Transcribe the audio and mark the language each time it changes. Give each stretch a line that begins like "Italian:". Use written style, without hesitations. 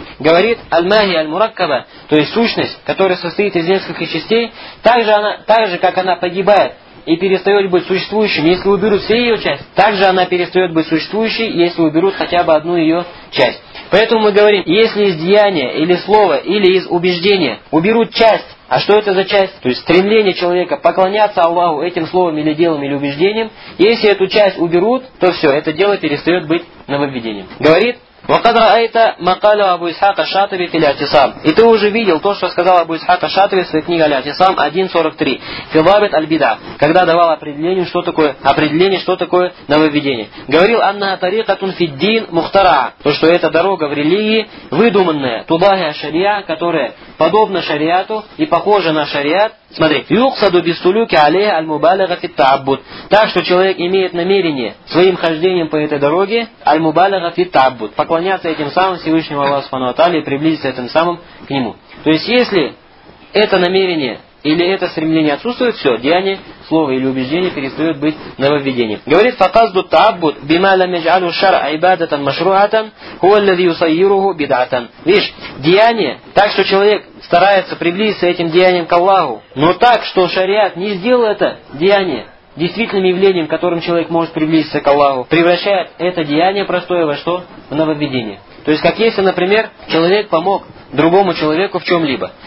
Russian: Говорит,
Arabic: «Аль-махи аль-мураккаба»,
Russian: то есть сущность, которая состоит из нескольких частей, так же, как она погибает и перестает быть существующей, если уберут все ее части, так же она перестает быть существующей, если уберут хотя бы одну ее часть. Поэтому мы говорим, если из деяния, или слова, или из убеждения уберут часть, а что это за часть? То есть стремление человека поклоняться Аллаху этим словом, или делом, или убеждением, если эту часть уберут, то все, это дело перестает быть нововведением. Говорит,
Arabic: وقد رأيت مقال أبو إسحاق الشاطبي في الاعتصام.
Russian: И ты уже видел то, что сказал Абу Исхак аш-Шатиби в своей книге «Аль-Итисам» 1.43. Филабит аль-бида. Когда давал определение, что такое нововведение. Говорил,
Arabic: анна тариқатун фид-дин мухтараа.
Russian: То, что это дорога в религии, выдуманная.
Arabic: Тубахи аш-шариа,
Russian: которая подобна шариату и похожа на шариат. Смотри.
Arabic: Юксаду бисулюки алейхи аль-мубалига фит-таабуд.
Russian: Так что человек имеет намерение своим хождением по этой дороге
Arabic: аль-мубалига фит-таабуд.
Russian: Поклоняться этим самым Всевышнему Аллаху субхану ва тааля и приблизиться этим самым к Нему. То есть, если это намерение или это стремление отсутствует, все, деяние, слово или убеждение перестает быть нововведением. Говорит,
Arabic: فَقَصْدُ التَّعَبُّدْ بِمَا لَمْ يَجْعَلُ الشَّرْعَ عِبَادَةً مَشْرُوعَةً هُوَ الَّذِي يُصَيِّرُهُ بِدْعَةً.
Russian: Видишь, деяние, так что человек старается приблизиться этим деянием к Аллаху, но так, что шариат не сделал это деяние действительным явлением, которым человек может приблизиться к Аллаху, превращает это деяние простое во что? В нововведение. То есть, как если, например, человек помог другому человеку в чем-либо.